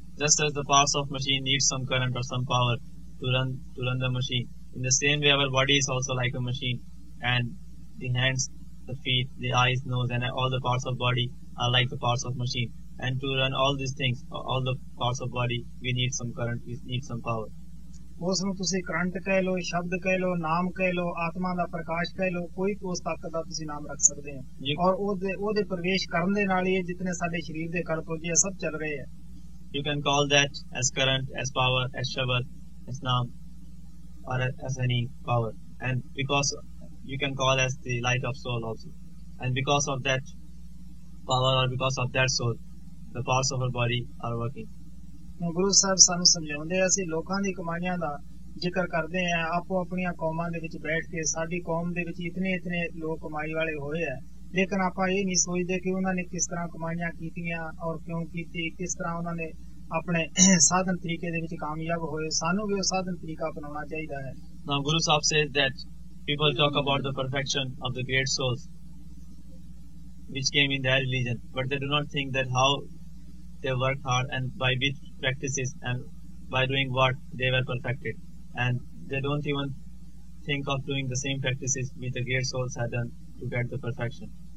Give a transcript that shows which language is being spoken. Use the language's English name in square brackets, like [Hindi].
[English] Just as the parts of machine need some current or some power to run the machine, in the same way our body is also like a machine, and the hands, the feet, the eyes, nose and all the parts of body are like the parts of machine, and to run all these things, all the parts of body, we need some current, we need some power. [Punjabi] ਉਸ ਨੂੰ ਤੁਸੀਂ current ਕਹਿ ਲਓ, ਸ਼ਬਦ ਕਹਿ ਲਓ, ਨਾਮ ਕਹਿ ਲਓ, ਆਤਮਾ ਦਾ ਪ੍ਰਕਾਸ਼ ਕਹਿ ਲਓ, ਕੋਈ ਉਸ ਤਾਕਤ ਦਾ ਤੁਸੀਂ ਨਾਮ ਰੱਖ ਸਕਦੇ ਹੋ ਔਰ ਉਹਦੇ ਪ੍ਰਵੇਸ਼ ਕਰਨ ਦੇ ਨਾਲ ਹੀ ਇਹ ਜਿਤਨੇ ਸਾਡੇ ਸਰੀਰ ਦੇ ਕਲਪ ਹੋ ਗਏ ਸਭ ਚੱਲ ਰਹੇ ਹੈ. [English] You can call that as current, as power, as shabad, as naam, or as any power. And because you can call as the light of soul also. And because of that power or because of that soul, the parts of our body are working. [Punjabi] Guru Sahib ਸਾਨੂੰ ਸਮਝਾਉਂਦੇ ਅਸੀਂ ਲੋਕਾਂ ਦੀ ਕਮਾਈਆਂ ਦਾ ਜ਼ਿਕਰ ਕਰਦੇ ਹਾਂ ਆਪੋ ਆਪਣੀਆਂ ਕੌਮਾਂ ਦੇ ਵਿੱਚ ਬੈਠ ਕੇ ਸਾਡੀ ਕੌਮ ਦੇ ਵਿੱਚ ਇਤਨੇ ਇਤਨੇ ਲੋਕ ਕਮਾਈ ਵਾਲੇ ਹੋਏ ਹੈ ਲੇਕਿਨ ਆਪਾਂ ਇਹ ਨਹੀਂ ਸੋਚਦੇ ਕਿ ਉਹਨਾਂ ਨੇ ਕਿਸ ਤਰ੍ਹਾਂ ਕਮਾਈਆਂ ਕੀਤੀਆਂ ਔਰ ਕਿਉਂ ਕੀਤੀ ਕਿਸ ਤਰ੍ਹਾਂ ਉਹਨਾਂ ਨੇ ਆਪਣੇ ਸਾਧਨ ਤਰੀਕੇ ਦੇ ਵਿੱਚ ਕਾਮਯਾਬ ਹੋਏ ਸਾਨੂੰ ਵੀ ਉਹ ਸਾਧਨ ਤਰੀਕਾ ਅਪਣਾਉਣਾ ਚਾਹੀਦਾ ਹੈ [English] Now, Guru Sahib says that people talk about the perfection of the great souls which came in their religion, but they do not think that how they worked hard and by which practices and by doing what they were perfected. And they don't even think of doing the same practices which the great souls had done to get the perfection.